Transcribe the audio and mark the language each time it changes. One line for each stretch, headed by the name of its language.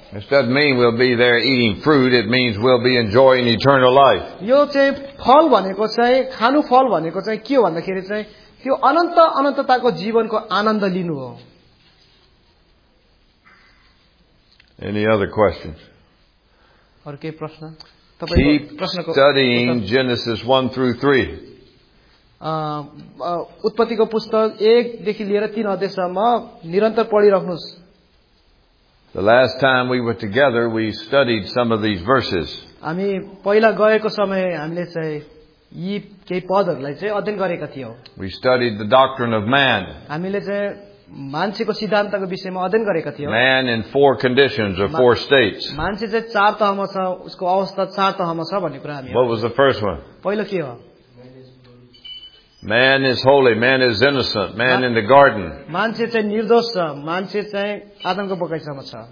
English: It doesn't mean we'll be there eating fruit. It means we'll be enjoying eternal life.
Nepali: यो चाहिँ फल भनेको चाहिँ खानु फल भनेको चाहिँ के भन्दाखेरि चाहिँ त्यो अनन्त अनन्तताको जीवनको आनन्द लिनु हो.
English: Any other questions?
Nepali: अरू केही प्रश्न?
English: Keep studying Genesis 1 through 3.
Nepali: उत्पत्तिको पुस्तक एकदेखि लिएर तीन अध्यायसम्म निरन्तर पढिराख्नुहोस्.
English: The last time we were together, we studied some of these verses.
Nepali: हामी पहिला गएको समय हामीले चाहिँ यी केही पदहरूलाई चाहिँ अध्ययन गरेका थियौँ.
English: We studied the doctrine of man.
Nepali: हामीले चाहिँ मान्छेको सिद्धान्तको विषयमा अध्ययन गरेका थियौँ.
English: Man in four conditions or four states.
Nepali: मान्छे चाहिँ चार तहमा छ, उसको अवस्था चार तहमा छ भन्ने कुरा हामी.
English: What was the first one?
Nepali: पहिलो के हो?
English: Man is holy, man is innocent, man in the garden.
Nepali: मान्छे चाहिँ निर्दोष छ, मान्छे चाहिँ आदमको बगैँचामा छ.